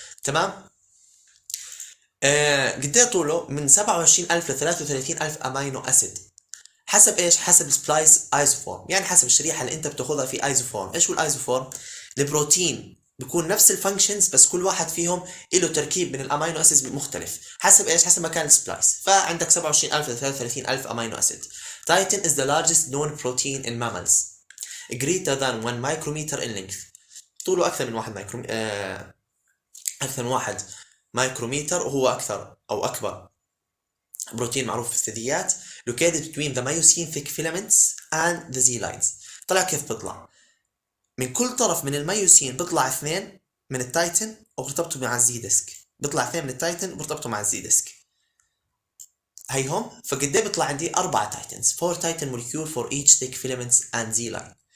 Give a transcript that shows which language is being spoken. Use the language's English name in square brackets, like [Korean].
[Arabic] تمام؟ قد ايه طوله؟ من 27000 ل 33000 امينو اسيد. حسب ايش؟ حسب سبلايس ايزوفورم، يعني حسب الشريحه اللي انت بتاخذها في ايزوفورم. ايش هو الايزوفورم؟ البروتين بيكون نفس الفانكشنز، بس كل واحد فيهم له تركيب من الامينو اسيد مختلف. حسب ايش؟ حسب مكان السبلايس. فعندك 27000 ل 33000 امينو اسيد. [English] Titin is the largest known protein in mammals. Greater than 1 micrometer in length. [Arabic] طوله اكثر من 1 مايكرو اكثر من 1 مايكرومتر، وهو اكثر او اكبر بروتين معروف في الثدييات. [English] Located between the myosin thick filaments and the Z lines. [Arabic] طلع كيف بيطلع؟ من كل طرف من الميوسين بيطلع اثنين من التايتن وبرتبطوا مع الزي ديسك، بيطلع اثنين من التايتن وبرتبطوا مع الزي ديسك. هي هم، فقد ايه بيطلع عندي؟ اربع تايتنز، 4 تايتن مولكيول [English] For each thick filaments and Z line.